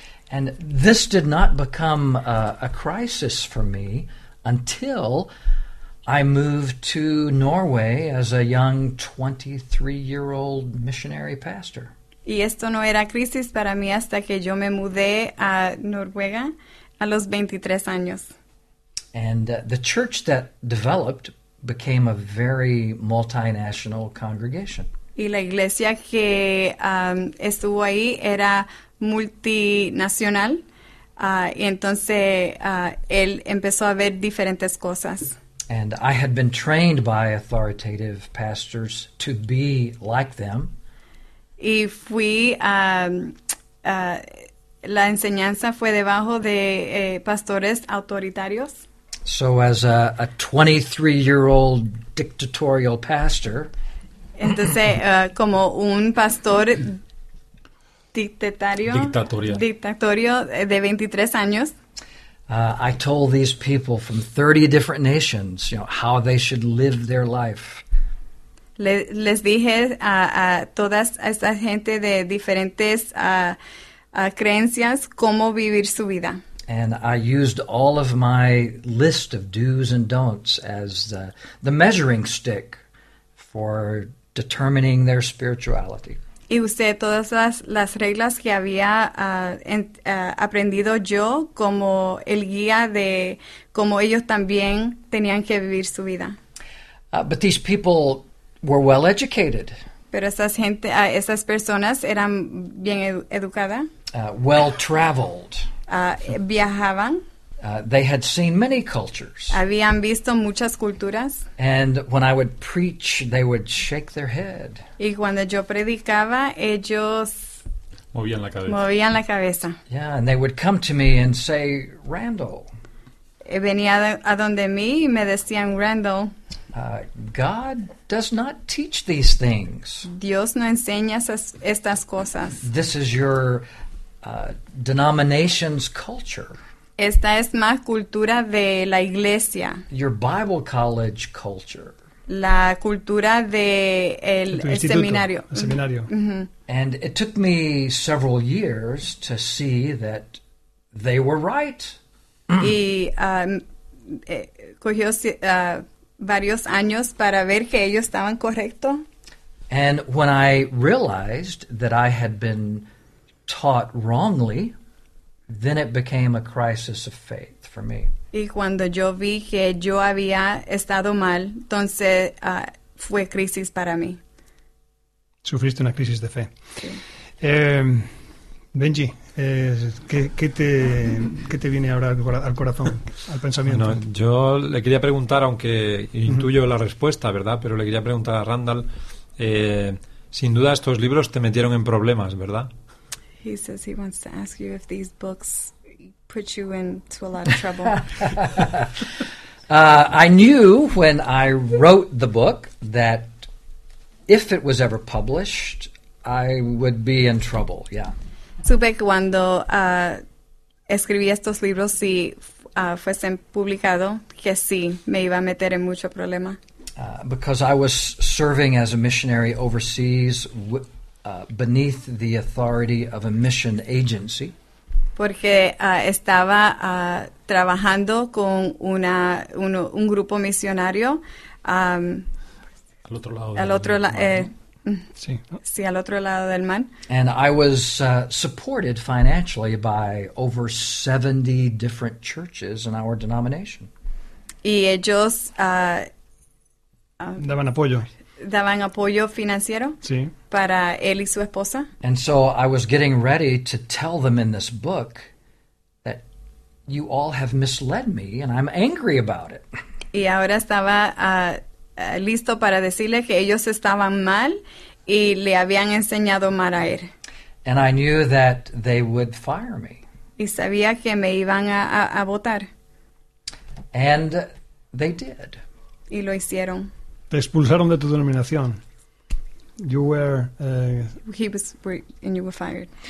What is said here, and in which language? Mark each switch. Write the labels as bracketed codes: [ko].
[en] And this did not become a crisis for me until I moved to Norway as a young 23-year-old missionary pastor. [es] Y esto no era crisis para mí hasta que yo me mudé a Noruega a los 23 años. [en] And the church that developed became a very multinational congregation. [es] Y la iglesia que estuvo ahí era multinacional. Y entonces él empezó a ver diferentes cosas. [en] And I had been trained by authoritative pastors to be like them. [es] Y fui la enseñanza fue debajo de pastores autoritarios. [en] So as a 23-year-old dictatorial pastor. [es] Entonces como un pastor dictatorio de 23 años. [en] I told these people from 30 different nations, you know, how they should live their life. [es] Les dije a todas esa gente de diferentes creencias cómo vivir su vida. [en] And I used all of my list of do's and don'ts as the measuring stick for determining their spirituality. [es] Y usé todas las reglas que había aprendido yo como el guía de cómo ellos también tenían que vivir su vida. [en] But these people were well educated. [es] Pero esas personas eran bien educadas. [en] Well traveled. [es] Viajaban. [en] They had seen many cultures. [es] Habían visto muchas culturas. [en] And when I would preach, they would shake their head. [es] Y cuando yo predicaba, ellos movían la cabeza. [en] Yeah, and they would come to me and say, Randall. [es] Venía a donde mí y me decían, Randall. [en] God does not teach these things. [es] Dios no enseña estas cosas. [en] This is your denomination's culture. [es] Esta es más cultura de la iglesia. [en] Your Bible college culture. [es] La cultura de el seminario. El seminario. Mm-hmm. [en] And it took me several years to see that they were right. [es] Y cogió varios años para ver que ellos estaban correcto. [en] And when I realized that I had been taught wrongly, then it became a crisis of faith for me. [es] Y cuando yo vi que yo había estado mal, entonces fue crisis para mí. Sufriste una crisis de fe. Sí. Benji, ¿qué te viene ahora al corazón, al pensamiento? Bueno, yo le quería preguntar, aunque intuyo la respuesta, ¿verdad? Pero le quería preguntar a Randall, sin duda estos libros te metieron en problemas, ¿verdad? [en] He says he wants to ask you if these books put you into a lot of trouble. I knew when I wrote the book that if it was ever published, I would be in trouble, yeah. [es] Supe cuando escribí estos libros si fuesen publicados que sí me iba a meter en mucho problema. [en] Because I was serving as a missionary overseas beneath the authority of a mission agency. [es] Porque estaba trabajando con un grupo misionario al otro lado. Sí, al otro lado del mar. And I was supported financially by over 70 different churches in our denomination. Y ellos daban apoyo financiero, sí, para él y su esposa. [en] And so I was getting ready to tell them in this book that you all have misled me and I'm angry about it. [es] Y ahora estaba listo para decirle que ellos estaban mal y le habían enseñado mal a él. [en] And I knew that they would fire me. [es] Y sabía que me iban a botar. [en] And they did. [es] Y lo hicieron. Te expulsaron de tu denominación. [en] You were... And you were fired.